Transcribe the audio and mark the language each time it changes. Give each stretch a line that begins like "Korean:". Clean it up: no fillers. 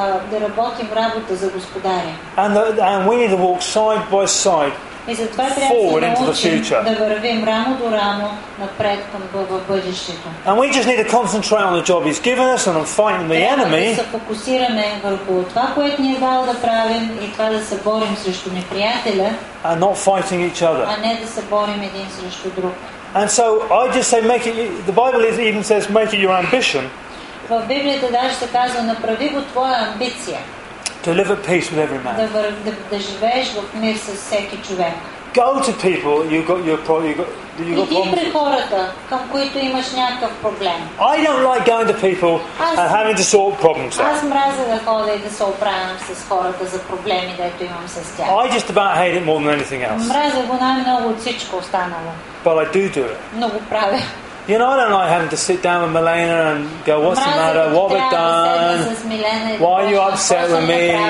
Bulgarian: Да работим работа за господаря.
English: And we need to walk side by side.
Bulgarian: И затова трябва да научим да вървим рамо до рамо напред към бъдещето.
English: And we just need to concentrate on the job he's given us and on fighting the enemy.
Bulgarian: Да се фокусираме върху това, което ни е дал да правим и това да се борим срещу неприятеля.
English: And not fighting each other.
Bulgarian: А не да се борим един срещу друг.
English: And so I just say make it, the Bible even says make it your ambition.
Bulgarian: В Библията даже се казва направи го твоя амбиция.
English: To live at peace with every man.
Bulgarian: Да живееш в мир с всеки човек.
English: Go to people you've got problems.
Bulgarian: Иди при хората, към които имаш някакъв проблем.
English: I don't like going to people and having to solve problems.
Bulgarian: Аз мразя да ходя и да се оправям с хората за проблеми, които имам с тях.
English: I just about hate it more than anything else.
Bulgarian: Мразя го най-много от всичко останало.
English: But I do it.
Bulgarian: Но го правя.
English: You know, I don't like having to sit down with Milena and go, what's the matter? What have I done? Why are you upset with me?